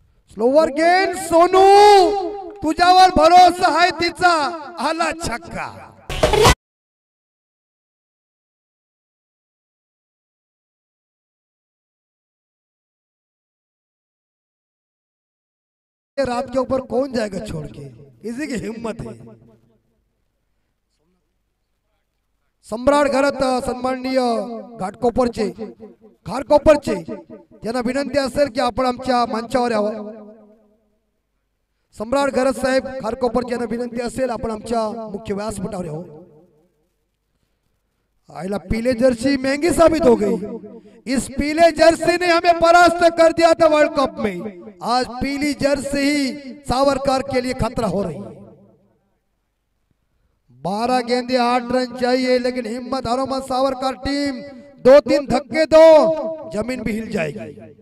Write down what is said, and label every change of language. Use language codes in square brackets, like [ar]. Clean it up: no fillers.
[mr] Slower गेंद, सोनू तुझ्यावर भरोसा है तिचा, आला छक्का। [hi] रात के ऊपर कौन जाएगा छोड़ के, किसी की हिम्मत है। [mr] सम्राट घरत सन्माननीय घाटकोपर चे खारकोपर चे त्यांना विनंती असेल की आपण आमच्या मंचावर यावा। सम्राट घरत साहेब खारकोपर यांना विनंती असेल आपण आमच्या मुख्य व्यासपीठावर यावा। [hi] आईला पीले जर्सी महंगी साबित हो गई, इस पीले जर्सी ने हमें परास्त कर दिया था वर्ल्ड कप में, आज पीली जर्सी ही सावरकर के लिए खतरा हो रही है। 12 गेंदे 8 रन चाहिए, लेकिन हिम्मत हारो मत सावरकर टीम, 2-3 धक्के दो जमीन भी हिल जाएगी।